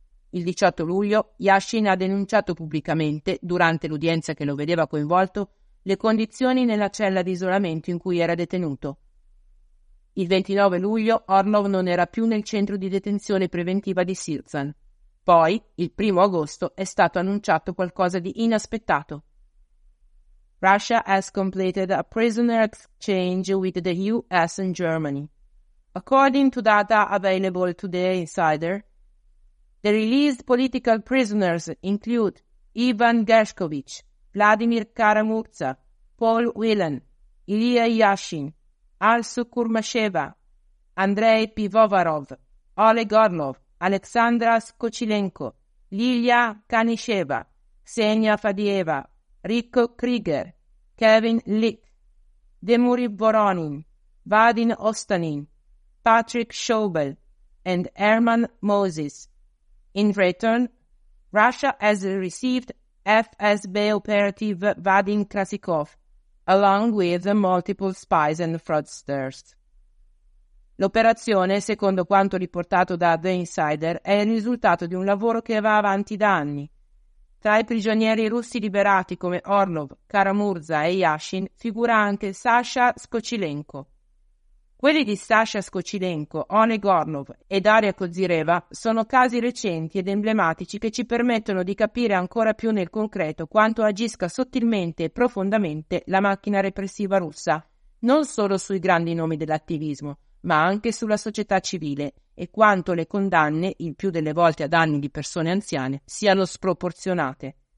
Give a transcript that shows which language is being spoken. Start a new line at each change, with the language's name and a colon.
Italian: Il 18 luglio Yashin ha denunciato pubblicamente, durante l'udienza che lo vedeva coinvolto, le condizioni nella cella di isolamento in cui era detenuto. Il 29 luglio Orlov non era più nel centro di detenzione preventiva di Sirzan. Poi, il 1 agosto, è stato annunciato qualcosa di inaspettato.
English: Russia has completed a prisoner exchange with the US and Germany. According to data available to the insider, the released political prisoners include Ivan Gershkovich, Vladimir Karamurza, Paul Whelan, Ilya Yashin, Alsu Kurmasheva, Andrei Pivovarov, Oleg Orlov, Alexandra Skochilenko, Lilia Kanisheva, Xenia Fadieva, Rico Krieger, Kevin Lick, Demuri Voronin, Vadin Ostanin, Patrick Schobel, and Herman Moses. In return, Russia has received FSB operative Vadim Krasikov, along with multiple spies and fraudsters.
Italian: L'operazione, secondo quanto riportato da The Insider, è il risultato di un lavoro che va avanti da anni. Tra i prigionieri russi liberati come Orlov, Karamurza e Yashin figura anche Sasha Skochilenko. Quelli di Sasha Skochilenko, Oleg Orlov e Daria Kozireva sono casi recenti ed emblematici che ci permettono di capire ancora più nel concreto quanto agisca sottilmente e profondamente la macchina repressiva russa, non solo sui grandi nomi dell'attivismo, ma anche sulla società civile, e quanto le condanne, il più delle volte a danni di persone anziane, siano sproporzionate.